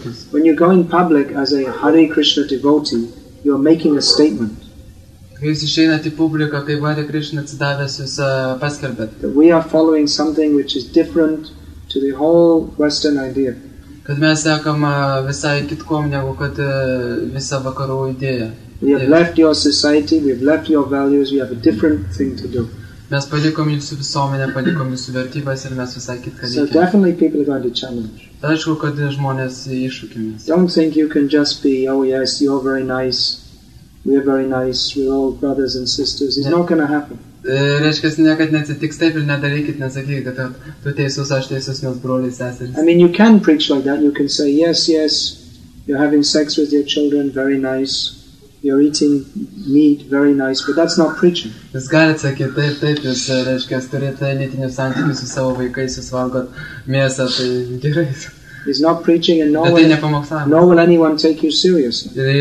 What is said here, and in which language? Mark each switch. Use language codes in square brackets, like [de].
[en] When you go in public as a Hare Krishna devotee, you are making a statement. [lt] Kai jūs išeinat į publiką, kai Hare Krishna atsidavęs, jūs paskelbėt. [en] That we are following something which is different to the whole Western idea. [lt] Kad mes sekam visai kitkom, negu kad visa vakarų idėja. [en] We have left your society, we have left your values, we have a different thing to do. [lt] Mes palikom jūsų visuomenę, palikom jūsų vertybės ir mes visai kitką reikia. [en] So definitely people are going to challenge. [lt] Aišku, kad žmonės iššūkimės. [en] Don't think you can just be, oh yes, you're very nice, we are very nice, we're all brothers and sisters. It's not going to happen. [lt] Reiškia, niekad neatsitiks taip ir nedarykit, nesakykit, kad tu teisus, aš teisus, mes broliai, seserys. [en] I mean, you can preach like that, you can say, yes, yes, you're having sex with your children, very nice, you're eating meat, very nice, but that's not preaching. [lt] Jūs galite sakyti, taip, taip, jūs, reiškia, turite lytinius santykius su savo vaikais, jūs valgot mėsą, tai gerai. [en] It's not preaching and nor will anyone take you seriously.